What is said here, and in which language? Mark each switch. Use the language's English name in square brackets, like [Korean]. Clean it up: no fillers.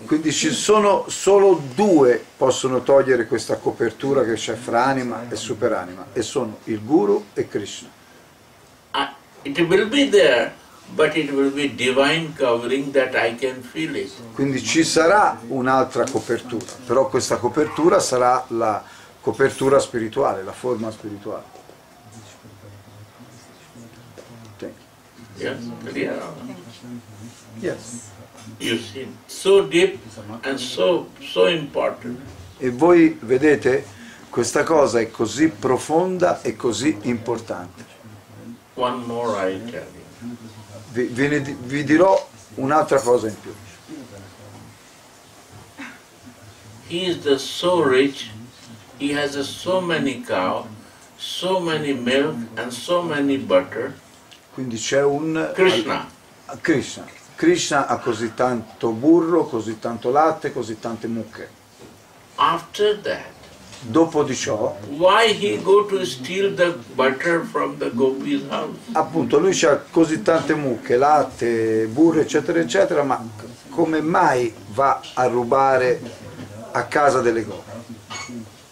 [Italian] Quindi ci sono solo due possono togliere questa copertura che c'è fra anima e superanima, e sono il guru e Krishna. [English] It will be there, but it will be divine covering that I can feel it. [Italian] Quindi ci sarà un'altra copertura, però questa copertura sarà la copertura spirituale, la forma spirituale. [English] Thank you. Yes. You see, so deep and so important. [Italian] E voi vedete, questa cosa è così profonda e così importante. [English] One more I tell you. [Italian] Vi dirò un'altra cosa in più. [English] He is the so rich, he has so many cow, so many milk and so many butter. [Italian] Quindi c'è un [English] Krishna. [Italian] Krishna ha così tanto burro, così tanto latte, così tante mucche. [English] After that. [Italian] Dopo di ciò. [English] Why he go to steal the butter from the gopi's house? [Italian] Appunto, lui c'ha così tante mucche, latte, burro, eccetera, eccetera, ma come mai va a rubare a casa delle gopi?